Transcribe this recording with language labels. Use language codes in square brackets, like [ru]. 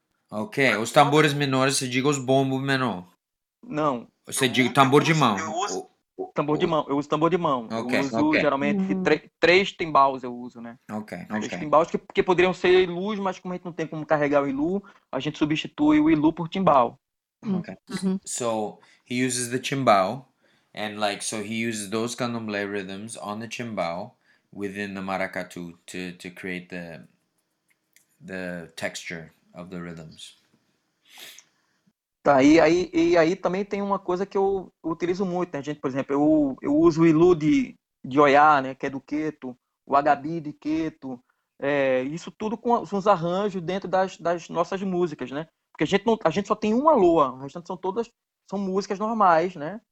[pt] Ok, os tambores menores, você diga os bombos menor. Não. Você diga tambor de mão. Tambor de mão, eu uso tambor de mão. Okay. Eu uso okay. Geralmente três timbals eu uso, né? Ok, três okay. Timbals que poderiam ser ilus, mas como a gente não tem como carregar o ilu, a gente substitui o ilu por timbal. [en] Okay. Mm-hmm. So he uses the chimbao, and like, so he uses those candomblé rhythms on the chimbao within the maracatu to create the texture of the rhythms. [pt] Tá, e aí também tem uma coisa que eu utilizo muito, né, gente? Por exemplo, eu uso o ilu de Oyá, né, que é do Queto, o agabi de Queto, isso tudo com os arranjos dentro das nossas músicas, né? Porque a gente só tem uma loa, o restante são todas são músicas normais, né?